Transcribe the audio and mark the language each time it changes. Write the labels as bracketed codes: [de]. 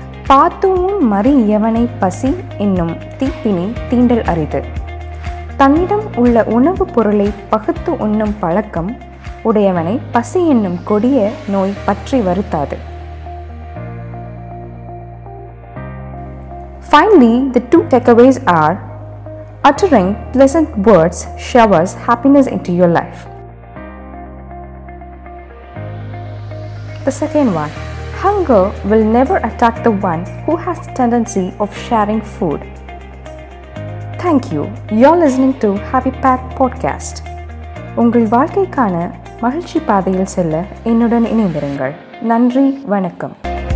[ta] பார்த்தும் மறி இயவனை பசி என்னும் தீப்பினி தீண்டல் அரிது. தன்னிடம் உள்ள உணவுப் பொருளை பகுத்து உண்ணும் பழக்கம் உடையவனை பசி என்னும் கொடிய நோய் பற்றி வருத்தாது. [en] Finally, the two takeaways are: uttering pleasant words showers happiness into your life. The second one: hunger will never attack the one who has the tendency of sharing food. Thank you. You're listening to Happy Path Podcast. [ta] உங்கள் வாழ்க்கைக்கான மகிழ்ச்சி பாதையில் செல்ல என்னுடன் இணைந்திருங்கள். நன்றி, வணக்கம்.